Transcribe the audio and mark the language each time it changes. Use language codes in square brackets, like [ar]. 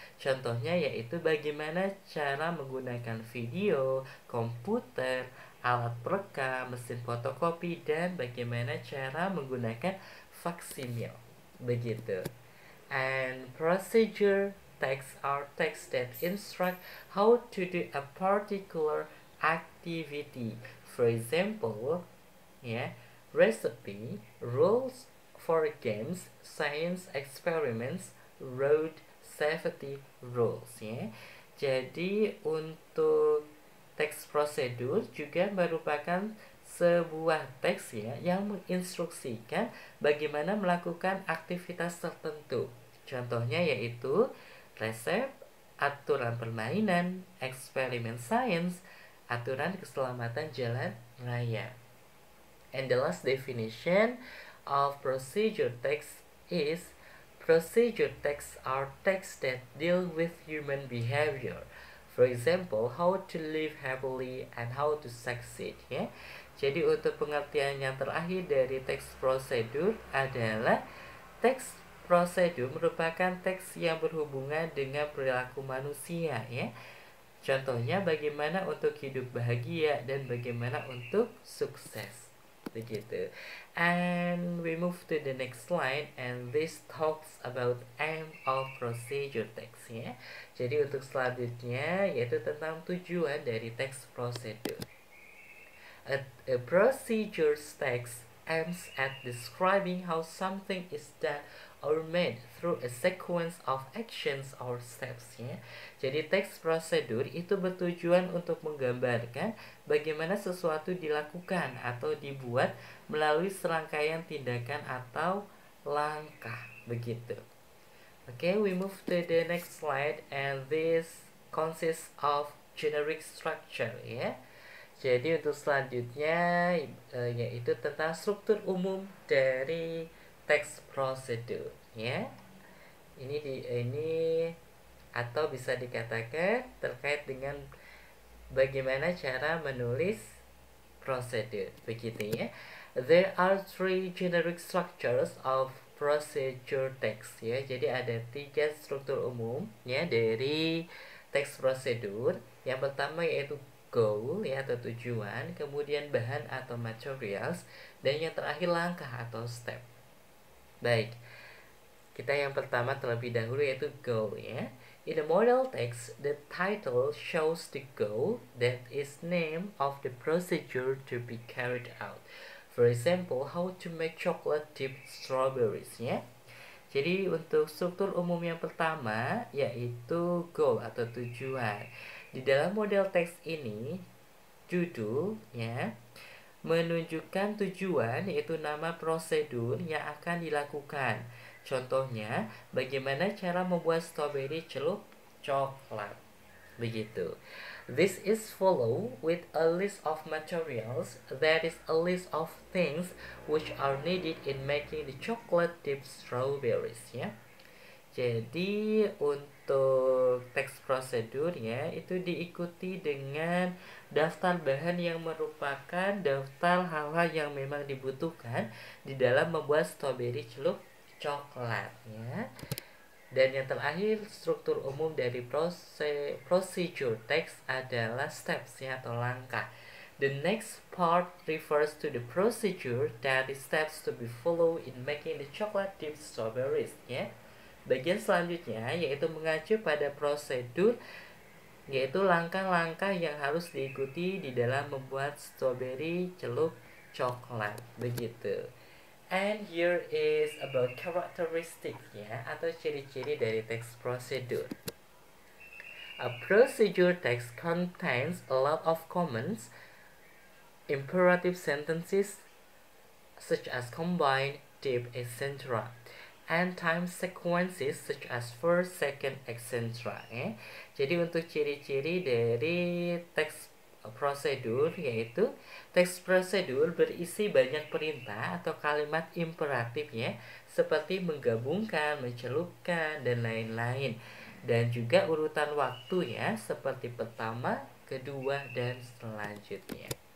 [id] Contohnya yaitu bagaimana cara menggunakan video, komputer, alat perekam, mesin fotokopi, dan bagaimana cara menggunakan faksimil. Begitu. [en] And procedure texts are texts that instruct how to do a particular activity. For example, yeah, recipe, rules for games, science experiments, road safety rules, yeah. [id] Jadi untuk teks prosedur juga merupakan sebuah teks ya yang menginstruksikan bagaimana melakukan aktivitas tertentu. Contohnya yaitu resep, aturan permainan, eksperimen sains, aturan keselamatan jalan raya. [en] And the last definition of procedure text is Procedure texts are texts that deal with human behavior. For example, how to live happily and how to succeed. [id] Ya. Jadi untuk pengertian yang terakhir dari teks prosedur adalah teks prosedur merupakan teks yang berhubungan dengan perilaku manusia. Ya. Contohnya bagaimana untuk hidup bahagia dan bagaimana untuk sukses. Begitu. [en] And we move to the next slide, and this talks about aim of procedure text, ya. [id] Jadi untuk selanjutnya yaitu tentang tujuan dari teks prosedur. [en] A procedure text aims at describing how something is done or made through a sequence of actions or steps, ya. [id] Jadi teks prosedur itu bertujuan untuk menggambarkan bagaimana sesuatu dilakukan atau dibuat melalui serangkaian tindakan atau langkah, begitu. [en] Okay, we move to the next slide, and this consists of generic structure, ya. [id] Jadi untuk selanjutnya yaitu tentang struktur umum dari teks prosedur. Ya, ini atau bisa dikatakan terkait dengan bagaimana cara menulis prosedur, begitu ya. [en] There are three generic structures of procedure text, ya. [id] Jadi ada tiga struktur umum, ya, dari teks prosedur. Yang pertama yaitu goal, ya, atau tujuan, kemudian bahan atau materials, dan yang terakhir langkah atau step. Baik. Kita yang pertama terlebih dahulu yaitu goal, ya. [en] In a model text, the title shows the goal that is name of the procedure to be carried out. For example, how to make chocolate dipped strawberries, ya. [id] Jadi untuk struktur umum yang pertama yaitu goal atau tujuan. Di dalam model text ini judul, ya, menunjukkan tujuan yaitu nama prosedur yang akan dilakukan. Contohnya, bagaimana cara membuat strawberry celup coklat, begitu. [en] This is followed with a list of materials, that is a list of things which are needed in making the chocolate dipped strawberries, ya. [id] Jadi untuk teks prosedur, ya, itu diikuti dengan daftar bahan yang merupakan daftar hal-hal yang memang dibutuhkan di dalam membuat strawberry celup coklat, ya. Dan yang terakhir, struktur umum dari procedure text adalah steps, ya, atau langkah. [en] The next part refers to the procedure that is steps to be followed in making the chocolate dipped strawberries, ya. [id] Bagian selanjutnya yaitu mengacu pada prosedur, yaitu langkah-langkah yang harus diikuti di dalam membuat strawberry celup coklat, begitu. [en] And here is about characteristics, ya, [id] atau ciri-ciri dari teks prosedur. [en] A procedure text contains a lot of commands, imperative sentences such as combine, dip, etc. and time sequences such as first, second, etc. Eh? [id] Jadi untuk ciri-ciri dari teks prosedur yaitu teks prosedur berisi banyak perintah atau kalimat imperatif, ya, seperti menggabungkan, mencelupkan, dan lain-lain, dan juga urutan waktu, ya, seperti pertama, kedua, dan selanjutnya.